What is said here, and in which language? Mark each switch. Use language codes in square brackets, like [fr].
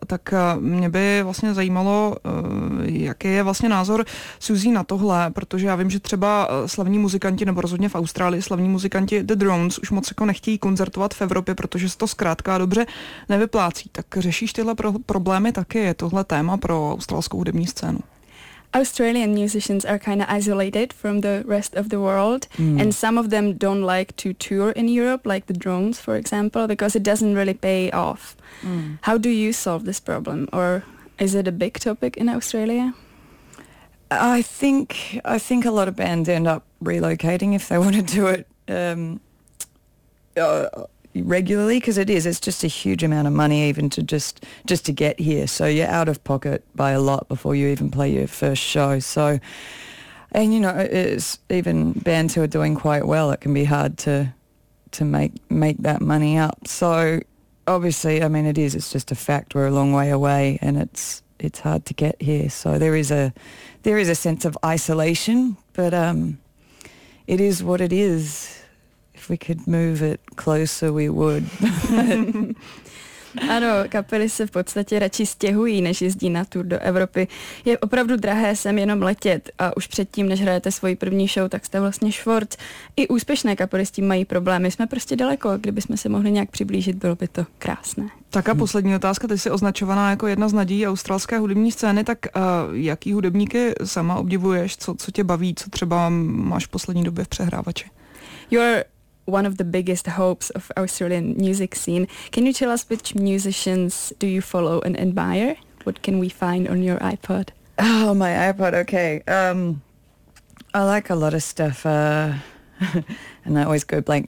[cs] Tak mě by vlastně zajímalo, jaký je vlastně názor Suzy na tohle, protože já vím, že třeba slavní muzikanti, nebo rozhodně v Austrálii slavní muzikanti The Drones už moc jako nechtějí koncertovat v Evropě, protože se to zkrátka dobře nevyplácí. Tak řešíš tyhle problémy taky? Je tohle téma pro australskou hudební scénu? [en] Australian musicians are kind of isolated from the rest of the world, and some of them don't like to tour in Europe, like the Drones, for example, because it doesn't really pay off. Mm. How do you solve this problem, or is it a big topic in Australia? I think a lot of bands end up relocating if they want to do it regularly, because it's just a huge amount of money even to just to get here, so you're out of pocket by a lot before you even play your first show. So, and you know, it's even bands who are doing quite well, it can be hard to make that money up. So obviously, I mean, it's just a fact, we're a long way away and it's hard to get here, so there is a sense of isolation, but it is what it is. If we could move it closer, we would. [cs] Ano, kapely se v podstatě radši stěhují, než jezdí na tour do Evropy. Je opravdu drahé sem jenom letět a už předtím, než hrajete svoji první show, tak jste vlastně švort. I úspěšné kapely s tím mají problémy. Jsme prostě daleko, kdybychom se mohli nějak přiblížit, bylo by to krásné. Tak a poslední otázka, ty jsi označovaná jako jedna z nadějí australské hudební scény, tak jaký hudebníky sama obdivuješ, co tě baví, co třeba máš v poslední době v přehrávači? [en] One of the biggest hopes of Australian music scene. Can you tell us which musicians do you follow and admire? What can we find on your iPod? Oh, my iPod, okay. I like a lot of stuff, and I always go blank.